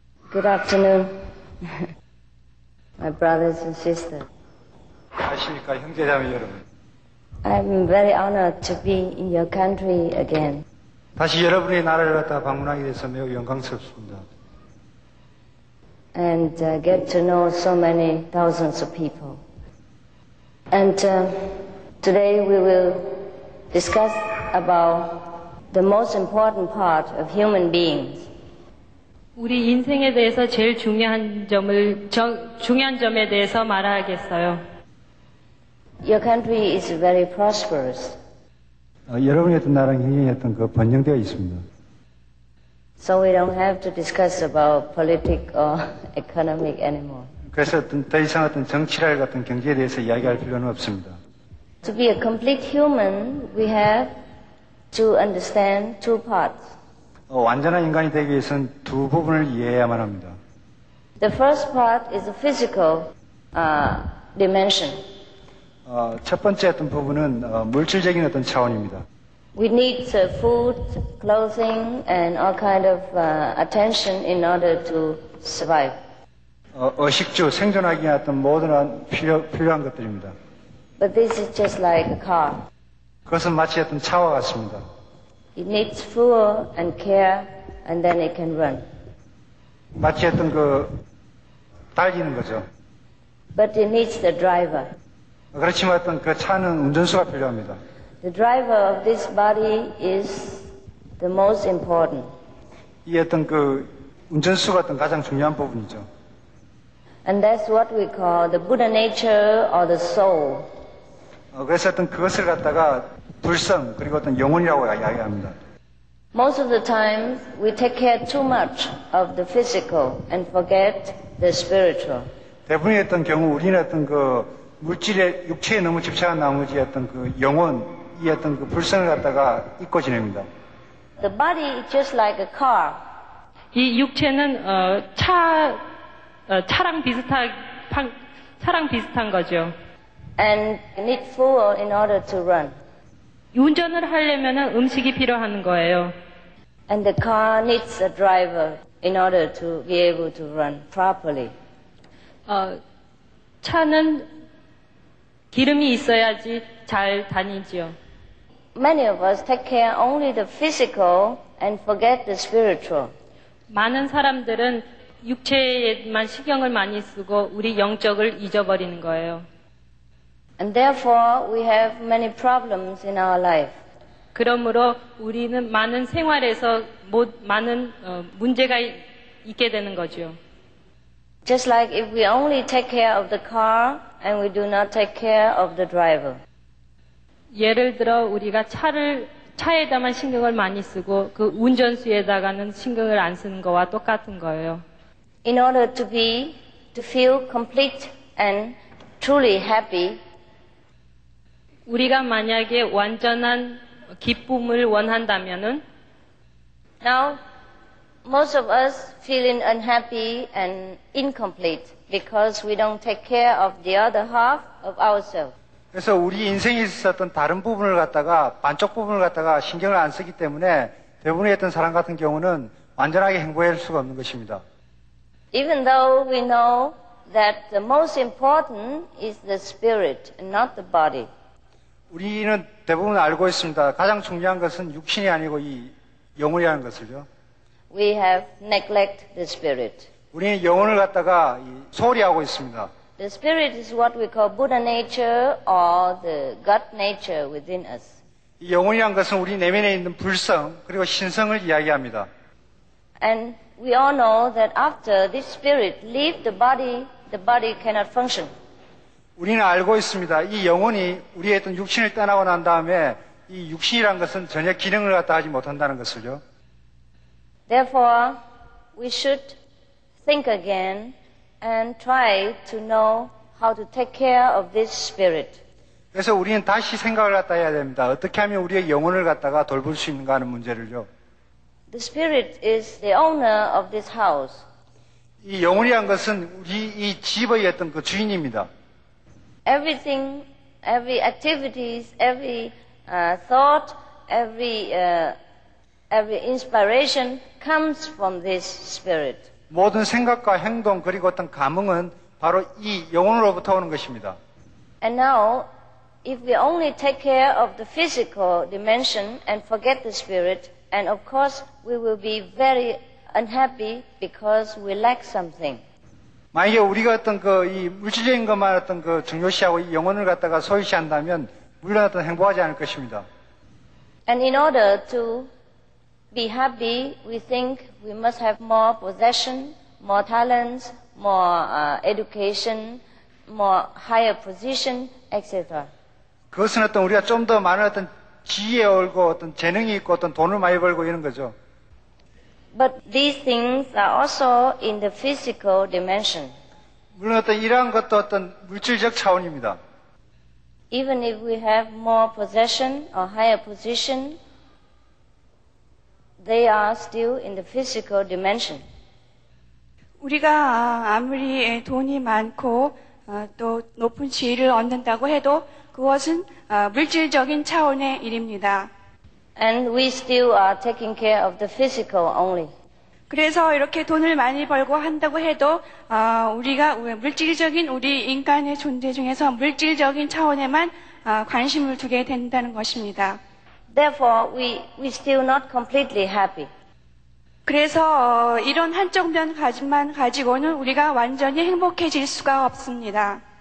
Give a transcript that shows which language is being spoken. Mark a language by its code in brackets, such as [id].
[en] 굿 아프터눈 My brothers and sisters. [ko] 안녕하십니까, 형제자매 여러분. [en] I'm very honored to be in your country again. [ko] 다시 여러분의 나라를 갖다 방문하게 돼서 매우 영광스럽습니다. [en] And get to know so many thousands of people. And today we will discuss about the most important part of human beings. [ko] 우리 인생에 대해서 제일 중요한 점을 중요한 점에 대해서 말하겠어요. [en] Your country is very prosperous. [ko] 여러분의 나라는 굉장히 어떤 그 번영되어 있습니다. [en] So we don't have to discuss about politics or economic anymore. [ko] 그래서 더 이상 어떤 정치랄 같은 경제에 대해서 이야기할 필요는 없습니다. [en] To be a complete human, we have to understand two parts. [ko] 완전한 인간이 되기 위해서는 두 부분을 이해해야만 합니다. [en] The first part is a physical dimension. [ko] 첫 번째 어떤 부분은 물질적인 어떤 차원입니다. [en] We need food, clothing, and all kind of attention in order to survive. [ko] 의식주, 생존하기 위한 어떤 모든 필요한 것들입니다. [en] But this is just like a car. [ko] 그것은 마치 어떤 차와 같습니다. [en] It needs fuel and care, and then it can run. [ko] 마치 어떤 그 달리는 거죠. [en] But it needs the driver. [ko] 그렇지만 어떤 그 차는 운전수가 필요합니다. [en] The driver of this body is the most important. [ko] 이 어떤 그 운전수가 어떤 가장 중요한 부분이죠. [en] And that's what we call the Buddha nature or the soul. [ko] 그래서 어떤 그것을 갖다가 불성 그리고 어떤 영혼이라고 이야기합니다. [en] Most of the time we take care too much of the physical and forget the spiritual. [ko] 대부분의 어떤 경우 우리는 어떤 그 물질의 육체에 너무 집착한 나머지 어떤 그 영혼 이 어떤 그 불성을 갖다가 잊고 지냅니다. [en] The body is just like a car. [ko] 이 육체는 차랑 비슷한 거죠. [en] And you need fuel in order to run. [ko] 운전을 하려면 음식이 필요한 거예요. [en] And the car needs a driver in order to be able to run properly. [ko] 차는 기름이 있어야지 잘 다니지요. [en] many of us take care only the physical and forget the spiritual. [ko] 많은 사람들은 육체에만 신경을 많이 쓰고 우리 영적을 잊어버리는 거예요. [en] And therefore we have many problems in our life. [ko] 그러므로 우리는 많은 생활에서 많은 문제가 있게 되는 거죠. [en] Just like if we only take care of the car and we do not take care of the driver. [ko] 예를 들어 우리가 차에다만 신경을 많이 쓰고 그 운전수에다가는 신경을 안 쓰는 거와 똑같은 거예요. [en] In order to be, to feel complete and truly happy. [ko] 우리가 만약에 완전한 기쁨을 원한다면은 [en] Now, most of us feeling unhappy and incomplete because we don't take care of the other half of ourselves. [ko] 그래서 우리 인생에 있었던 다른 부분을 갖다가 반쪽 부분을 갖다가 신경을 안 쓰기 때문에 대부분의 어떤 사람 같은 경우는 완전하게 행복할 수가 없는 것입니다. [en] Even though we know that the most important is the spirit and not the body. [ko] 우리는 대부분 알고 있습니다. 가장 중요한 것은 육신이 아니고 이 영혼이라는 것을요. [en] We have neglect the spirit. [ko] 우리는 영혼을 갖다가 소홀히 하고 있습니다. [en] The spirit is what we call Buddha nature or the God nature within us. [ko] 영혼이란 것은 우리 내면에 있는 불성 그리고 신성을 이야기합니다. [en] And we all know that after this spirit leaves the body cannot function. [ko] 우리는 알고 있습니다. 이 영혼이 우리의 어떤 육신을 떠나고 난 다음에 이 육신이란 것은 전혀 기능을 갖다 하지 못한다는 것을요. [en] Therefore, we should think again. And try to know how to take care of this spirit. [ko] 그래서 우리는 다시 생각을 갖다 해야 됩니다. 어떻게 하면 우리의 영혼을 갖다가 돌볼 수 있는가 하는 문제를요. [en] The spirit is the owner of this house. [ko] 이 영혼이란 것은 우리 이 집의 어떤 그 주인입니다. [en] Everything, every activities, every thought, every inspiration comes from this spirit. [ko] 모든 생각과 행동 그리고 어떤 감흥은 바로 이 영혼으로부터 오는 것입니다. [en] And now, if we only take care of the physical dimension and forget the spirit, and of course we will be very unhappy because we lack something. [ko] 만약에 우리가 어떤 그 이 물질적인 것만 어떤 그 중요시하고 이 영혼을 갖다가 소유시한다면 물론 어떤 행복하지 않을 것입니다. [en] And in order to be happy, we think we must have more possession, more talents, more education, more higher position, etc. [ko] 그것은 어떤 우리가 좀 더 많은 어떤 지혜 얻고 어떤 재능이 있고 어떤 돈을 많이 벌고 이런 거죠. [en] But these things are also in the physical dimension. [ko] 물론 어떤 이러한 것도 어떤 물질적 차원입니다. [en] Even if we have more possession or higher position, they are still in the physical dimension. [ko] 우리가 아무리 돈이 많고 또 높은 지위를 얻는다고 해도 그것은 물질적인 차원의 일입니다. [en] And we still are taking care of the physical only. [ko] 그래서 이렇게 돈을 많이 벌고 한다고 해도 우리가 물질적인 우리 인간의 존재 중에서 물질적인 차원에만 관심을 두게 된다는 것입니다. [en] Therefore, we still not completely happy. [ko] 그래서 이런 한쪽 면만 가지고는 우리가 완전히 행복해질 수가 없습니다.